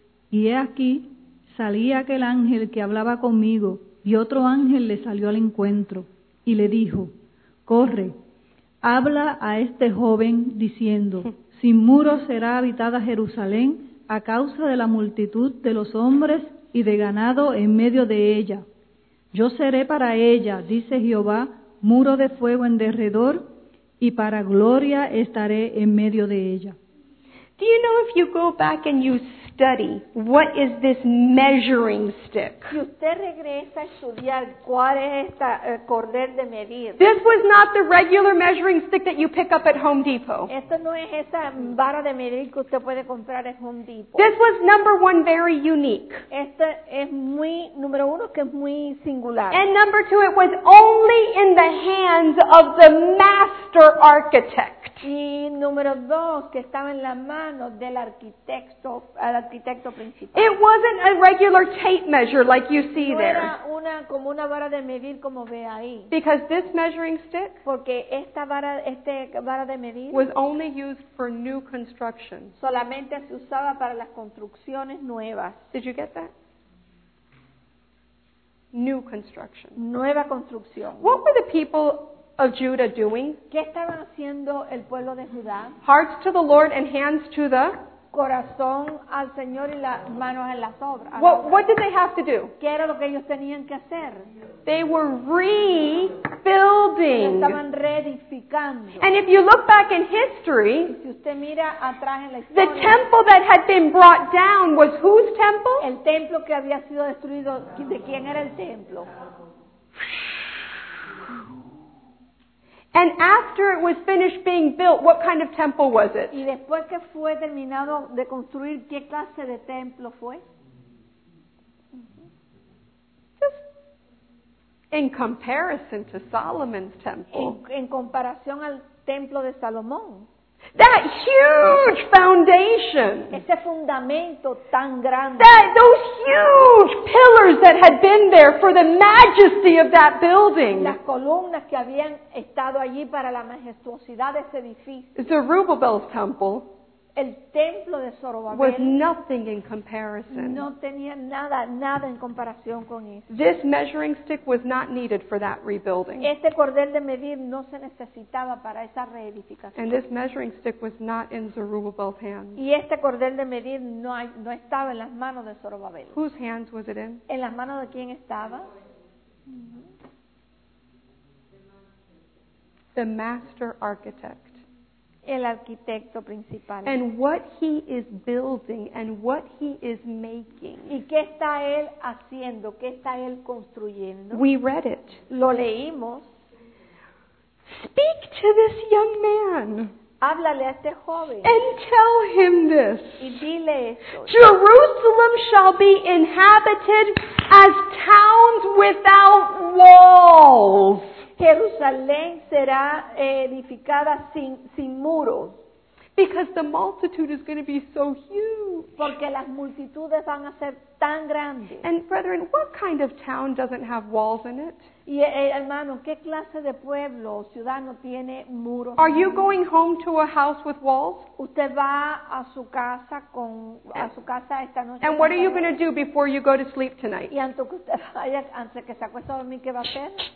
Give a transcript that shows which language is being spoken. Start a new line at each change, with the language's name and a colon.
Spanish: Y he aquí, salía aquel ángel que hablaba conmigo, y otro ángel le salió al encuentro, y le dijo, corre, habla a este joven diciendo, sin muros será habitada Jerusalén a causa de la multitud de los hombres y de ganado en medio de ella. Yo seré para ella, dice Jehová, muro de fuego en derredor, y para gloria estaré en medio de ella.
English: Do you know if you go back and you study, what is this measuring stick?
Spanish: Si usted regresa a estudiar, ¿cuál es esta cordel de medir?
English: This was not the regular measuring stick that you pick up at Home Depot.
Spanish: Esto no es esa vara de medir que usted puede comprar en Home Depot.
English: This was number one, very unique.
Spanish: Esto es muy, número uno, que es muy singular.
English: And number two, it was only in the hands of the master architect.
Spanish: Y número dos, que estaba en la mano del arquitecto, el arquitecto principal.
English: It wasn't a regular tape measure like you see there.
Spanish: No era una, como una vara de medir como ve ahí.
English: Because this measuring stick,
Spanish: porque esta vara, este vara de medir,
English: was only used for new construction.
Spanish: Solamente se usaba para las construcciones nuevas.
English: Did you get that? New construction.
Spanish: Nueva construcción.
English: What were the people of Judah doing?
Spanish: ¿Qué estaban haciendo el pueblo de Judá?
English: Hearts to the Lord and hands to the
Spanish: corazón al Señor y las manos en las obras.
English: What did they have to do?
Spanish: ¿Qué era lo que ellos tenían que hacer?
English: They were rebuilding.
Spanish: Estaban reedificando.
English: And if you look back in history,
Spanish: si usted mira atrás en la historia,
English: the temple that had been brought down was whose temple?
Spanish: El templo que había sido destruido, ¿de quién era el templo?
English: And after it was finished being built, what kind of temple was it?
Spanish: Y después que fue terminado de construir, ¿qué clase de templo fue?
English: Just in comparison to Solomon's temple.
Spanish: En comparación al templo de Salomón.
English: That huge foundation.
Spanish: Ese fundamento tan grande.
English: Those huge pillars that had been there for the majesty of that building.
Spanish: Las columnas que habían estado allí para la majestuosidad de ese edificio.
English: Zerubbabel's temple.
Spanish: El templo de Zorobabel.
English: Was nothing in comparison.
Spanish: No tenía nada, nada en comparación con eso.
English: This measuring stick was not needed for that rebuilding.
Spanish: Este cordel de medir no se necesitaba para esa reedificación.
English: And this measuring stick was not in Zerubbabel's hands.
Spanish: Y este cordel de medir no estaba en las manos de Zorobabel.
English: Whose hands was it in?
Spanish: ¿En las manos de quién estaba?
English: The master architect.
Spanish: El arquitecto principal.
English: And what he is building and what he is making.
Spanish: ¿Y qué está él haciendo? ¿Qué está él construyendo?
English: We read it.
Spanish: Lo leímos.
English: Speak to this young man.
Spanish: Háblale a este joven.
English: And tell him this.
Spanish: Y dile esto.
English: Jerusalem shall be inhabited as towns without walls.
Spanish: Jerusalén será edificada sin muros.
English: Because the multitude is going to be so huge.
Spanish: Porque las multitudes van a ser tan grandes.
English: And brethren, what kind of town doesn't have walls in it?
Spanish: Y hermano, ¿qué clase de pueblo, ciudad no tiene muros?
English: Are you going home to a house with walls?
Spanish: ¿Usted va a su casa con a su casa esta noche?
English: And what are you going to do before you go to sleep tonight?
Spanish: Y antes que se acueste a dormir, ¿qué va a hacer?